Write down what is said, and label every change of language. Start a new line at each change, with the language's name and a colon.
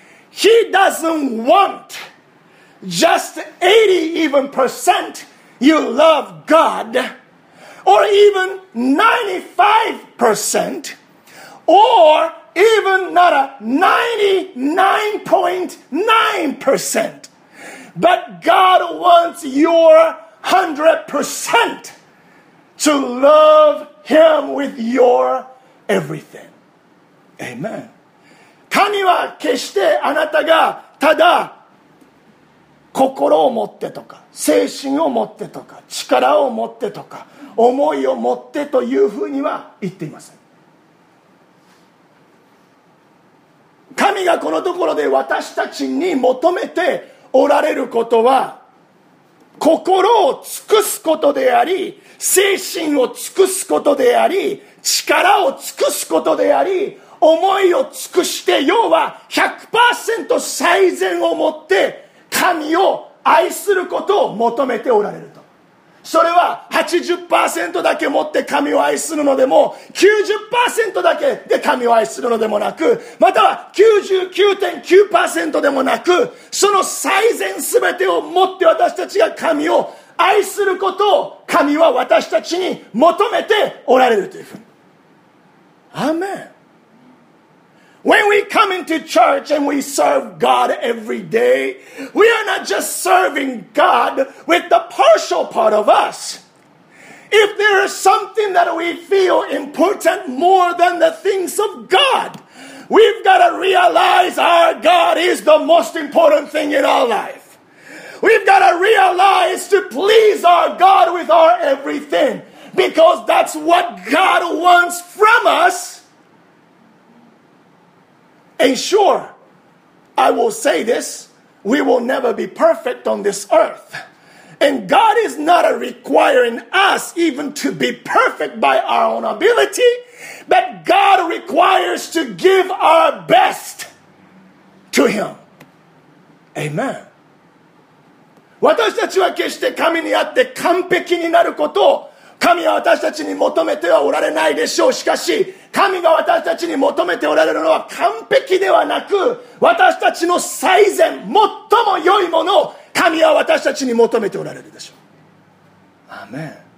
English: He doesn't want just 80 even percent you love God or even 95% or even not a 99.9%, but God wants your 100% to love Him with your everything. Amen.
Japanese: 神は決してあなたがただ心を持ってとか精神を持ってとか力を持ってとか思いを持ってというふうには言っていません。神がこのところで私たちに求めておられることは心を尽くすことであり精神を尽くすことであり力を尽くすことであり思いを尽くして、要は 100% 最善をもって神を愛することを求めておられると。それは 80% だけ持って神を愛するのでも、 90% だけで神を愛するのでもなく、または 99.9% でもなく、その最善全てを持って私たちが神を愛することを神は私たちに求めておられるというふうに。アーメン。
English: When we come into church and we serve God every day, we are not just serving God with the partial part of us. If there is something that we feel important more than the things of God, we've got to realize our God is the most important thing in our life. We've got to realize to please our God with our everything, because that's what God wants from us. And sure, I will say this, we will never be perfect on this earth. And God is not requiring us even to be perfect by our own ability, but God requires to give our best to Him. Amen.
Japanese: 私たちは決して神にあって完璧になることを神は私たちに求めてはおられないでしょう。しかし、神が私たちに求めておられるのは完璧ではなく、私たちの最善、最も良いものを神は私たちに求めておられるでしょう。アーメン。